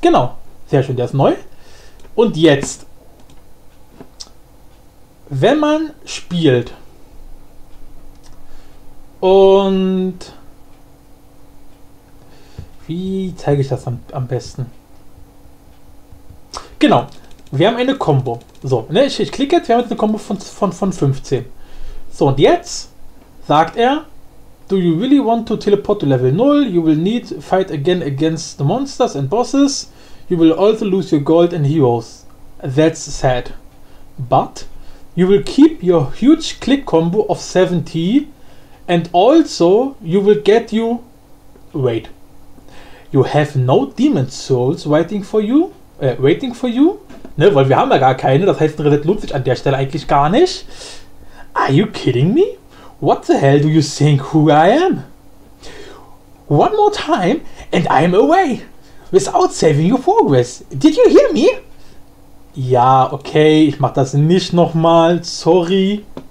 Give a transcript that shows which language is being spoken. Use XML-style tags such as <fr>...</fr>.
<de>Genau, sehr schön, der ist neu. Und jetzt, wenn man spielt und wie zeige ich das am besten? Genau, wir haben eine Combo. So, ne, ich klicke jetzt, wir haben jetzt eine Combo von 15. So, und jetzt sagt er:</de> <en>Do you really want to teleport to level 0? You will need to fight again against the monsters and bosses. You will also lose your gold and heroes. That's sad. But you will keep your huge click combo of 70 and also you will get you. Wait. You have no demon souls waiting for you? Waiting for you?</en> <de>Ne, weil wir haben ja gar keine. Das heißt, ein Reset lohnt sich an der Stelle eigentlich gar nicht.</de> <en>Are you kidding me? What the hell do you think who I am? One more time and I'm away. Without saving your progress. Did you hear me?</en> <de>Ja, okay, ich mach das nicht nochmal. Sorry.</de>